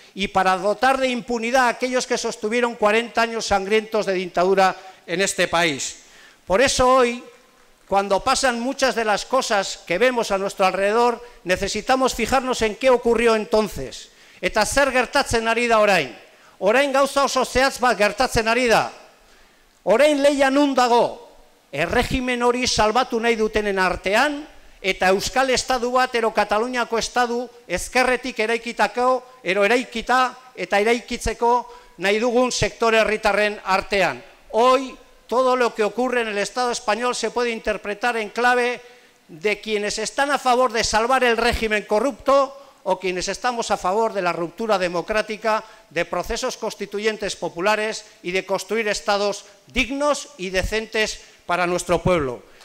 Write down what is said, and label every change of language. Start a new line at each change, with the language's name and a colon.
Spanish: Y para dotar de impunidad a aquellos que sostuvieron 40 años sangrientos de dictadura en este país. Por eso hoy, cuando pasan muchas de las cosas que vemos a nuestro alrededor, necesitamos fijarnos en qué ocurrió entonces.
Basque: Eta zer gertatzen ari da orain. Orain gauza oso zehatz bat gertatzen ari da. Orain leia nun dago. Erregimen hori salbatu nahi dutenen artean, eta Euskal Estatu bat, ero Kataluniako Estatu, ezkerretik eraikitako, ero eraikita, eta eraikitzeko nahi dugun sektore herritarren artean.
Spanish: Hoy, todo lo que ocurre en el Estado español se puede interpretar en clave de quienes están a favor de salvar el régimen corrupto o quienes estamos a favor de la ruptura democrática, de procesos constituyentes populares y de construir estados dignos y decentes para nuestro pueblo.